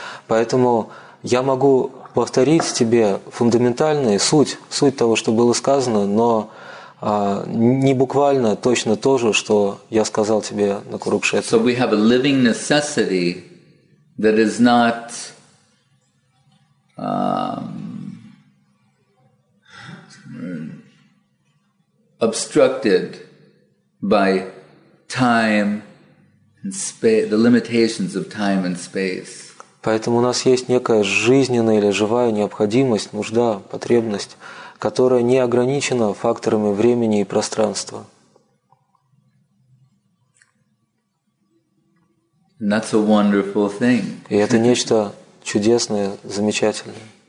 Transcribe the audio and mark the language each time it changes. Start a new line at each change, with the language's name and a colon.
Russian: Поэтому я могу повторить тебе фундаментальную суть того, что было сказано, но не буквально точно то же, что я сказал тебе на Курукшетре.
English: So we have a living necessity that is not obstructed by time and space, the limitations of time and space.
Russian: Поэтому у нас есть некая жизненная или живая необходимость, нужда, потребность, которая не ограничена факторами времени и пространства.
English: And that's a wonderful thing.
Russian: И это нечто чудесное, замечательное.